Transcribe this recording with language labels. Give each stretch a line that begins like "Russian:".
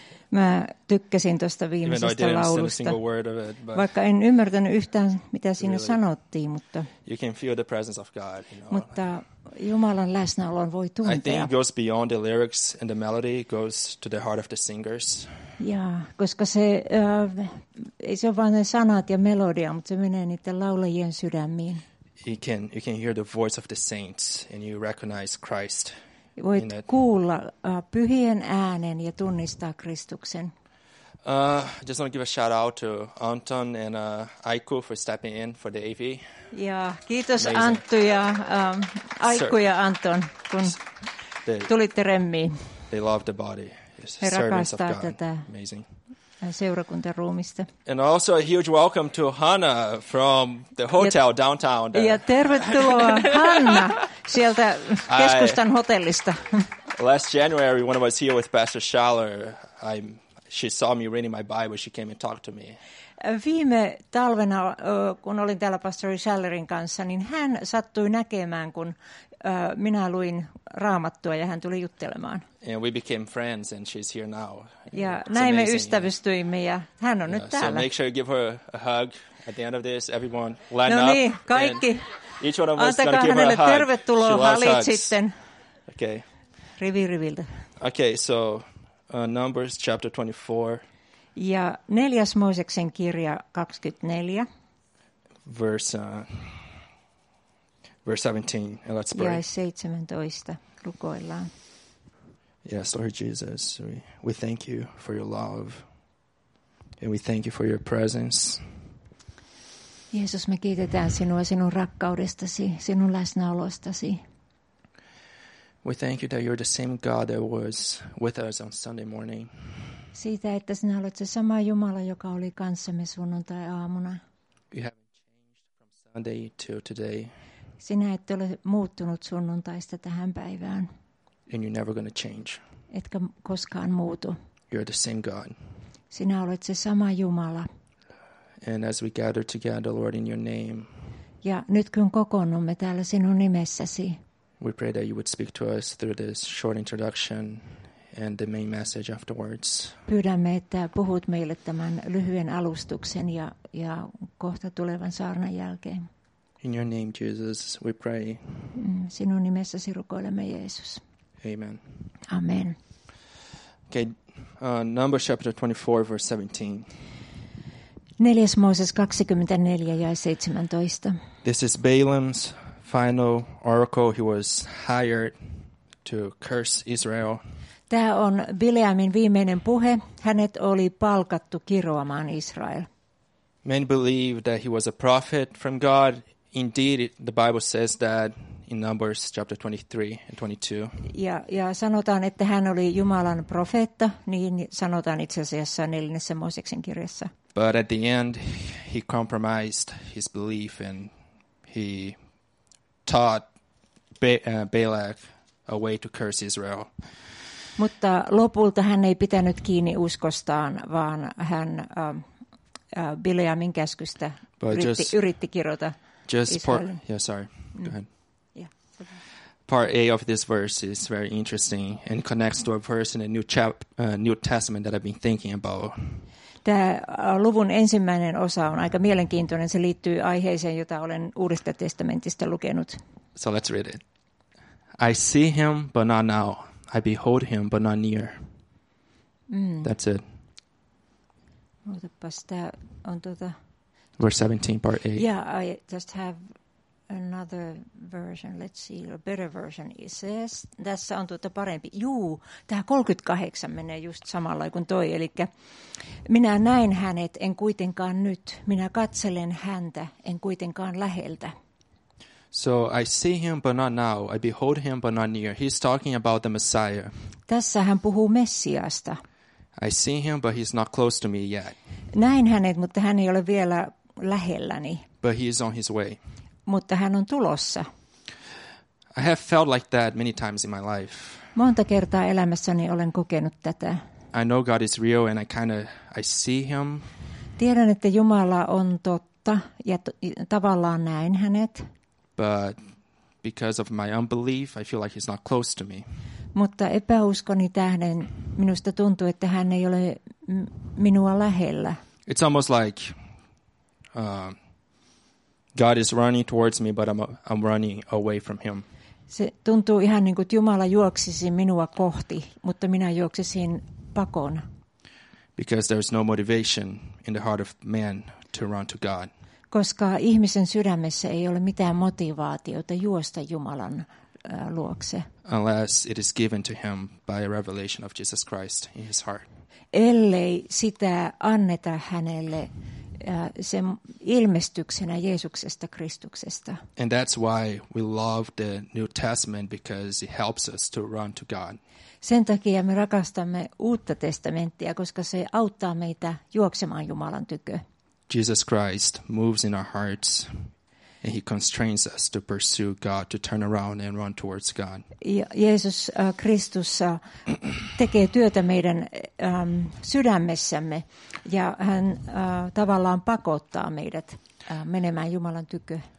Finnish: Mä tykkäsin tuosta viimeisestä laulusta.
English: Single word of it, but
Finnish: vaikka en ymmärtänyt yhtään, mitä siinä really sanottiin, mutta
English: you can feel the presence of God, you know.
Finnish: Mutta Jumalan läsnäolon voi tuntea.
English: I think it goes beyond the lyrics and the melody, it goes to the heart of the singers.
Finnish: Jaa, koska se ei se ole vain ne sanat ja melodia, mutta se menee niiden laulajien sydämiin.
English: You can hear the voice of the saints and you recognize Christ.
Finnish: Voit kuulla pyhien äänen ja tunnistaa Kristuksen.
English: Just want to give a shout out to Anton and Aiku for stepping in for the AV.
Finnish: Yeah, kiitos Anttu ja Aiku ja Anton, kun tulitte remmiin.
English: They love the body.
Finnish: He rakastaa tätä. Amazing. Seurakuntaruumista.
English: And also a huge welcome to Hanna from the hotel downtown.
Finnish: Ja tervetuloa Hanna sieltä keskustan hotellista.
English: Last January when I was here with Pastor Schaller, she saw me reading my Bible, she came and talked to me.
Finnish: Viime talvena kun olin täällä Pastor Schallerin kanssa, niin hän sattui näkemään kun minä luin Raamattua ja hän tuli juttelemaan.
English: And we became friends and she's here now.
Finnish: Ja näin me ystävystyimme ja hän on nyt täällä.
English: So make sure you give her a hug at the end of this. Everyone, line no up.
Finnish: No niin, kaikki.
English: Each one of us is going to give her a hug.
Finnish: Tervetuloa halit sitten.
English: Okay.
Finnish: Rivi riviltä.
English: Okay, so Numbers chapter 24.
Finnish: Ja neljäs Mooseksen kirja 24.
English: Verse 17, and let's pray.
Finnish: Jae 17, rukoillaan.
English: Yes, Lord Jesus, we thank you for your love, and we thank you for your presence.
Finnish: Jeesus, me kiitetään sinua sinun rakkaudestasi, sinun läsnäolostasi.
English: We thank you that you're the same God that was with us on Sunday morning.
Finnish: Siitä, että sinä olet se sama Jumala, joka oli kanssamme sunnuntai-aamuna.
English: You haven't changed from Sunday to today.
Finnish: Sinä et ole muuttunut sunnuntaista tähän päivään.
English: And you're never gonna change.
Finnish: Etkä koskaan muutu.
English: You're the same God.
Finnish: Sinä olet se sama Jumala.
English: And as we gather together, Lord, in your name.
Finnish: Ja nyt kun kokoonnumme täällä sinun nimessäsi.
English: We pray that you would speak to us through this short introduction and the main message afterwards.
Finnish: Pyydämme, että puhut meille tämän lyhyen alustuksen ja kohta tulevan saarnan jälkeen.
English: In your name, Jesus, we pray.
Finnish: Sinun nimessäsi rukoilemme, Jeesus.
English: Amen.
Finnish: Amen.
English: Okay, Numbers chapter 24, verse 17.
Finnish: Neljäs Mooses 24, jae 17.
English: This is Balaam's final oracle. He was hired to curse Israel.
Finnish: Tämä on Bileamin viimeinen puhe. Hänet oli palkattu kiroamaan Israel.
English: Many believe that he was a prophet from God. Indeed, the Bible says that in Numbers chapter 23 and 22.
Finnish: Ja sanotaan, että hän oli Jumalan profeetta, niin sanotaan itse asiassa neljännessä Mooseksen kirjassa.
English: But at the end, he compromised his belief and he taught Balak a way to curse Israel.
Finnish: Mutta lopulta hän ei pitänyt kiinni uskostaan, vaan hän Bileamin käskystä yritti kirota.
English: Just part, yeah, sorry. Go ahead. Yeah. Part A of this verse is very interesting and connects to a verse in the New Testament that I've been thinking about.
Finnish: Tämä luvun ensimmäinen osa on aika mielenkiintoinen. Se liittyy aiheeseen, jota olen Uudesta testamentista lukenut.
English: So let's read it. I see him, but not now. I behold him, but not near. That's it.
Finnish: Otapas, tämä on
English: Verse 17, part 8. Yeah, I just have another version. Let's see, a better version. It says,
Finnish: tässä on tuota parempi. Juu, tämä 38 menee just samalla kuin toi. Eli minä näin hänet, en kuitenkaan nyt. Minä katselen häntä, en kuitenkaan läheltä.
English: So I see him, but not now. I behold him, but not near. He's talking about the Messiah.
Finnish: Tässä hän puhuu Messiasta.
English: I see him, but he's not close to me yet.
Finnish: Näin hänet, mutta hän ei ole vielä lähelläni.
English: But he is on his way.
Finnish: Mutta hän on tulossa.
English: I have felt like that many times in my life.
Finnish: Monta kertaa elämässäni olen kokenut tätä.
English: I know God is real and I see him.
Finnish: Tiedän, että Jumala on totta ja tavallaan näen hänet.
English: But because of my unbelief, I feel like he's not close to me.
Finnish: Mutta epäuskoni tähden minusta tuntuu, että hän ei ole minua lähellä.
English: It's almost like God is running towards me, but I'm running away from him.
Finnish: Se tuntuu ihan niin kuin Jumala juoksisi minua kohti, mutta minä juoksisin pakoon.
English: Because there is no motivation in the heart of man to run to God.
Finnish: Koska ihmisen sydämessä ei ole mitään motivaatiota juosta Jumalan luokse.
English: Unless it is given to him by a revelation of Jesus Christ in his heart.
Finnish: Ellei sitä anneta hänelle sen ilmestyksenä Jeesuksesta Kristuksesta.
English: And that's why we love the New Testament, because it helps us to run to God.
Finnish: Sen takia me rakastamme Uutta testamenttia, koska se auttaa meitä juoksemaan Jumalan tykö.
English: Jesus Christ moves in our hearts and he constrains us to pursue God, to turn around and run towards God.
Finnish: Jeesus Kristus tekee työtä meidän sydämessämme ja hän tavallaan pakottaa meidät menemään Jumalan tykö.